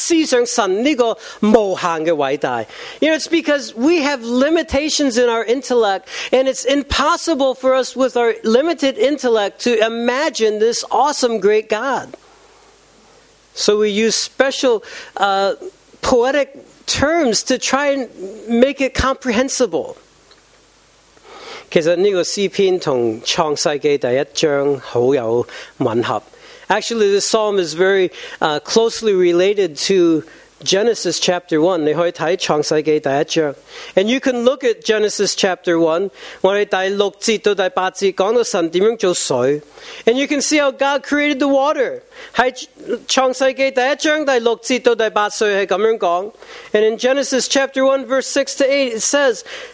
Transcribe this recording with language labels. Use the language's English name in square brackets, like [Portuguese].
[Chinese] 这些是美丽的比喻的方式表达神这个伟大。是人有限的思想，我们用我们有限的思想，没办法思想神这个无限的伟大。 [English] You know, it's because we have limitations in our intellect, and it's impossible for us with our limited intellect to imagine this awesome great God. So we use special poetic terms to try and make it comprehensible. [Chinese] 其实这个诗篇和创世纪第一章很有吻合。 [English] Actually, this psalm is very closely related to Genesis chapter 1. [Chinese] 你可以看创世纪第一章。 [English] And you can look at Genesis chapter 1. [Chinese] 我们第六节到第八节讲到神怎样做水。 [English] And you can see how God created the water. [Chinese] 在创世纪第一章第六节到第八节是这样讲。 [English] And in Genesis chapter 1 verse 6 to 8 it says,